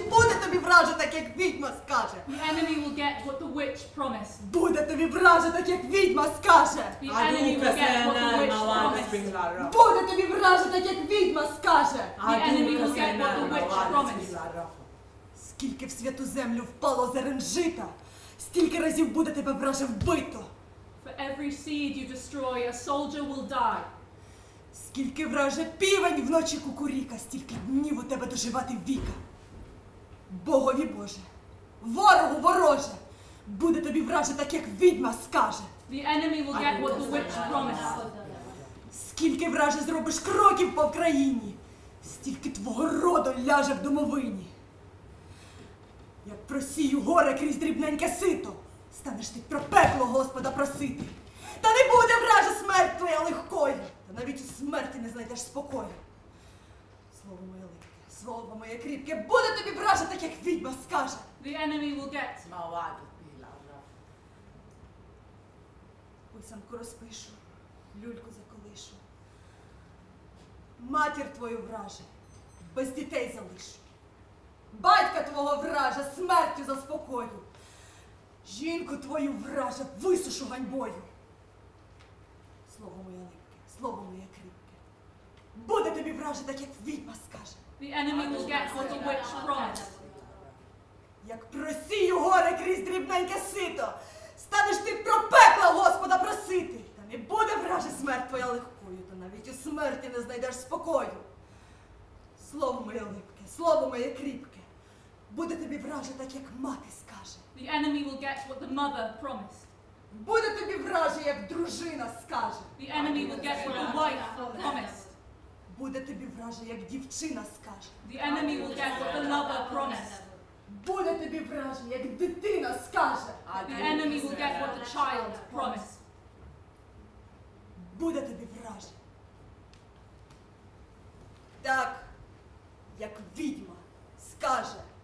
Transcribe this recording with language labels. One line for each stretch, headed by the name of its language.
Ukrainian: Буде тобі враже, так як відьма скаже.
English: The enemy will get what the witch promised.
Ukrainian: Буде тобі враже, так як відьма скаже.
English: The enemy will get what the witch promised.
Ukrainian: Буде тобі враже, так як відьма скаже.
English: The enemy will get what the witch promised.
Ukrainian: Скільки в святу землю впало зерен жита, стільки разів буде тебе враже вбито.
English: For every seed you destroy, a soldier will die.
Ukrainian: Скільки враже півень вночі кукуріка, стільки днів у тебе доживати віка. Богові Боже, ворогу вороже, буде тобі враже так, як відьма скаже.
English: The enemy will get what the witch promised.
Ukrainian: Скільки враже зробиш кроків по країні, стільки твого роду ляже в домовині. Як просію горе крізь дрібненьке сито, станеш ти про пекло Господа просити. Та не буде враже смерть твоя легкою. Навіть у смерті не знайдеш спокою. Слово моє легке, слово моє кріпке, буде тобі враже так, як відьма скаже.
English: The enemy will get. Маладу, біла, вра.
Ukrainian: Писанку розпишу, люльку заколишу. Матір твою враже, без дітей залишу. Батька твого враже, смертю заспокою. Жінку твою враже, висушу ганьбою. Слово моє легке. Слово моє кріпке. Буде тобі враже, так як відьма скаже.
English: The enemy will get what the witch promised.
Ukrainian: Як просію горе крізь дрібненьке сито, станеш ти про пекла Господа просити. Та не буде враже смерть твоя легкою, то навіть у смерті не знайдеш спокою. Слово моє липке, слово моє кріпке. Буде тобі враже, так як мати скаже.
English: The enemy will get what the mother promised.
Ukrainian: Буде тобі враже, як дружина скаже.
English: The enemy will get what the wife promised.
Ukrainian: Буде тобі враже, як дівчина скаже.
English: The enemy will get what the lover promised.
Ukrainian: Буде тобі враження, як дитина скаже.
English: The enemy will get what the child promised.
Ukrainian: Буде тобі враження. Так, як відьма скаже.